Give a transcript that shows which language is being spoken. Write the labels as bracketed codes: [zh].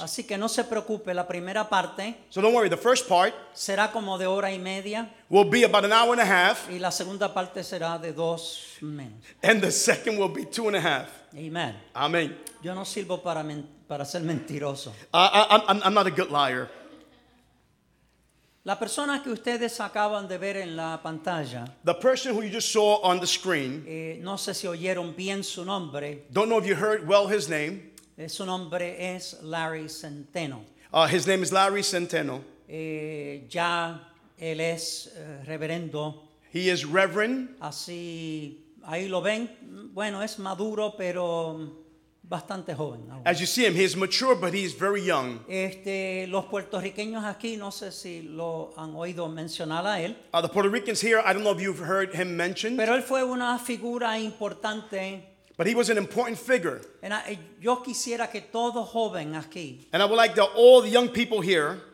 [es] Así que no se preocupe, la primera parte. [en] So don't worry, the first part. [es] Será como de hora y media. [en] Will be about an hour and a half. [es] Y la segunda parte será de dos menos. [en] And the second will be two and a half. [es] Amen. [en] Amen. [es] Yo no sirvo para para ser mentiroso. [en] I'm not a good liar. [es] La persona que ustedes acaban de ver en la pantalla. [en] The person who you just saw on the screen. [es] No sé si oyeron bien su nombre. [en] Don't know if you heard well his name. [es] Su nombre es Larry Centeno. [en] His name is Larry Centeno. [es] Ya él es reverendo. [en] He is reverend. [es] Así ahí lo ven. Bueno, es maduro, pero bastante joven. [en] As you see him, he is mature, but he is very young. [es] Los puertorriqueños aquí, no sé si lo han oído mencionar a él. [en] The Puerto Ricans here, I don't know if you've heard him mentioned. [es] Pero él fue una figura importante. [en] But he was an important figure. [es] Yo quisiera que todo joven aquí. [en] And I would like that all the young people here.